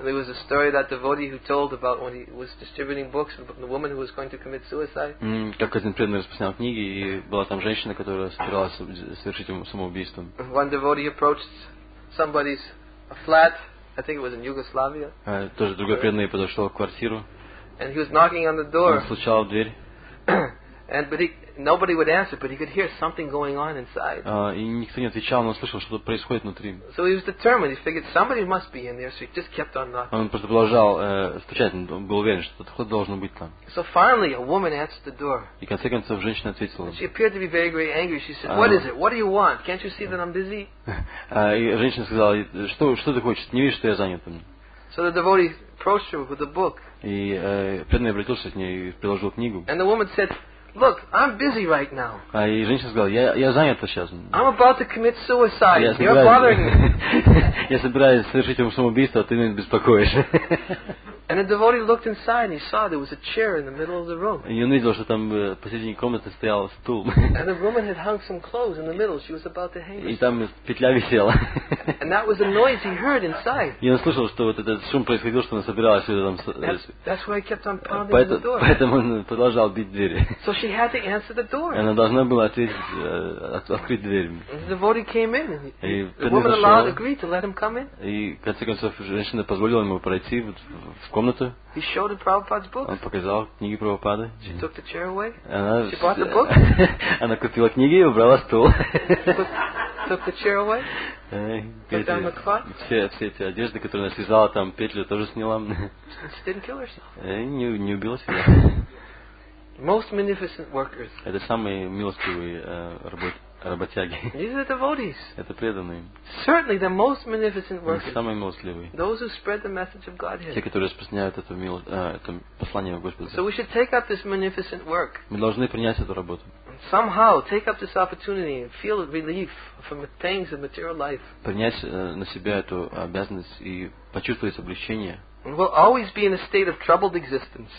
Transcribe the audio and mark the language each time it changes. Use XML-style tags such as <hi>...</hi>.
<en>There was a story that devotee who told about when he was distributing books, the woman who was going to commit suicide.</en> <ru>Как один преданный распространял книги, и была там женщина, которая собиралась совершить самоубийство.</ru> <en>One devotee approached somebody's flat. I think it was in Yugoslavia.</en> <ru>Тоже другой преданный подошел к квартиру.</ru> <en>And he was knocking on the door.</en> <ru>Стучал в дверь.</ru> <en>And but he, nobody would answer, but he could hear something going on inside.</en> <ru>И никто не отвечал, но слышал, что-то происходит внутри.</ru> <en>So he was determined. He figured somebody must be in there, so he just kept on knocking.</en> <ru>Он просто продолжал стучать, он был уверен, что кто-то должен быть там.</ru> <en>So finally, a woman answered the door.</en> <ru>И в конце концов женщина ответила.</ru> <en>She appeared to be very, very angry. She said, "What is it? What do you want? Can't you see that I'm busy?"</en> <ru>И женщина сказала, что ты хочешь? Не видишь, что я занят?</ru> <en>So the devotee approached her with a book.</en> <ru>И преданный обратился к ней и приложил книгу.</ru> <en>And the woman said, "Look, I'm busy right now."</en> <ru>И женщина сказала, я занята сейчас.</ru> <en>I'm about to commit suicide. You're bothering me.</en> <ru>Я собираюсь совершить самоубийство, а ты меня беспокоишь.</ru> <en>And the devotee looked inside and he saw there was a chair in the middle of the room.</en> <ru>И он видел, что там посередине комнаты стоял стул.</ru> <en>And the woman had hung some clothes in the middle. She was about to hang.</en> <ru>И там петля висела.</ru> <en>And that was the noise he heard inside.</en> <ru>И он слышал, что вот этот шум происходил, что она собиралась сюда там.</ru> <en>That's why he kept on pounding the door.</en> <ru>Поэтому он продолжал бить двери.</ru> <en>So she had to answer the door.</en> <ru>Она должна была ответить, открыть дверь.</ru> <en>And the devotee came in. The woman allowed, agreed to let him come in.</en> <ru>И в конце концов женщина позволила ему пройти вот в комнату.</ru> <en>He showed her Prabhupada's book.</en> <ru>Он показал книги Прабхупады.</ru> <en>She took the chair away.</en> <ru>Она,</ru> <en>she bought the book.</en> <ru>Она купила книги и убрала стул.</ru> <en>Took the chair away.</en> <ru>Все эти одежды, которые она связала, там петлю тоже сняла.</ru> <en>She didn't kill herself.</en> <ru>Не убила себя.</ru> <en>Most munificent workers.</en> <ru>Это самые милостивые работяги.</ru> <en>These are the devotees.</en> <ru>Это преданные.</ru> <en>Certainly the most munificent workers.</en> <ru>Самые милостивые.</ru> <en>Those who spread the message of Godhead.</en> <ru>Те, которые распространяют это это послание Господа.</ru> <en>So we should take up this munificent work.</en> <ru>Мы должны принять эту работу.</ru> <en>Somehow take up this opportunity and feel relief from the things of material life.</en> <ru>Принять на себя эту обязанность и почувствовать облегчение.</ru> <en>And we'll always be in a state of troubled existence.</en>